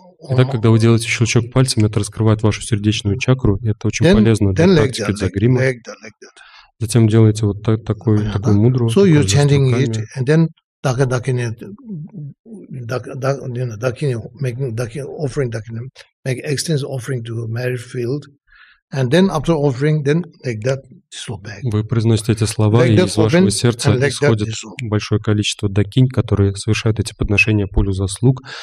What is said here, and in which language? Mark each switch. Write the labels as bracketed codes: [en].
[ru] Итак, когда вы делаете щелчок пальцами, это раскрывает вашу сердечную чакру, и это очень полезно для практики дзагрима. Затем делаете вот такую такую мудру. [en] So you're chanting it, and then Dakini, Dakini, making Dakini, offering Dakini, make extensive offering to merit field. And then after offering, then like that, slow back. [ru] Вы произносите эти слова, like и из вашего сердца исходит большое количество дакинь, которые совершают эти подношения полю заслуг.